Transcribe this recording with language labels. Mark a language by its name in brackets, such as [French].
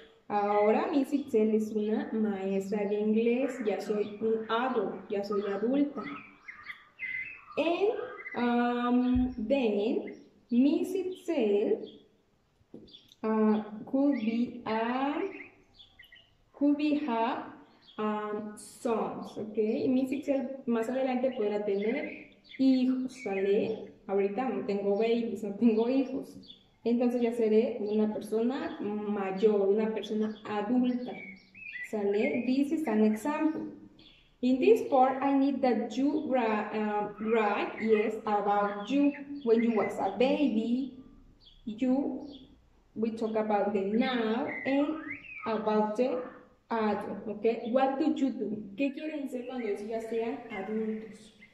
[Spanish] Ahora Miss Excel es una maestra de inglés, ya soy un adult, ya soy adulta. [English] And then Miss Excel could have sons, okay? [Spanish] Miss Excel más adelante podrá tener hijos, ¿sale? Ahorita no tengo babies, no tengo hijos. Entonces ya seré una persona mayor, una persona adulta, ¿sale? [English] This is an example. In this part, I need that you write, yes, about you. When you was a baby, we talk about the now and about the Adult, ok. What do you do? [Spanish] ¿Qué quieren ser cuando ellos ya sean adultos?